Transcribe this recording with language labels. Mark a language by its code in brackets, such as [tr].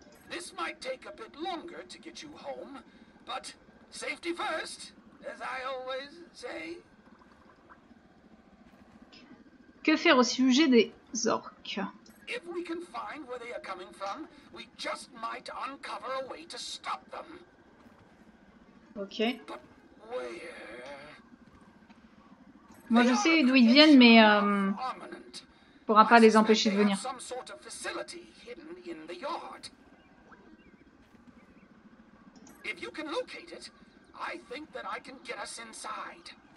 [en] This might take a bit longer to get you home, but safety first, as I always say. [fr] Que faire au sujet des orques? [en] If we can find where they are coming from, we just might uncover a way to stop them. Ok. But where? [fr] Moi je sais d'où ils viennent, mais on pourra pas les empêcher de venir. [en] Some sort of facility hidden in the yard. If you can locate it, I think that I can get us inside.